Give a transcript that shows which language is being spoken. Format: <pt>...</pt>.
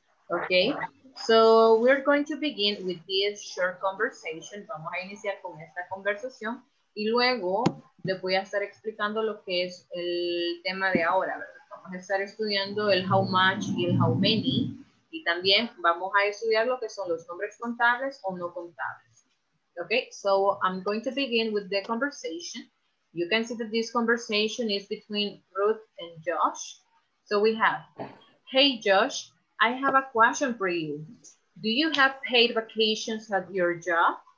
<en>Okay, so we're going to begin with this short conversation.</en> <es>Vamos a iniciar con esta conversación y luego les voy a estar explicando lo que es el tema de ahora, ¿verdad? Vamos a estar estudiando el how much y el how many. Y también vamos a estudiar lo que son los nombres contables o no contables.</es> <en>Okay, so I'm going to begin with the conversation. You can see that this conversation is between Ruth and Josh. So we have, hey Josh, I have a question for you. Do you have paid vacations at your job?</en>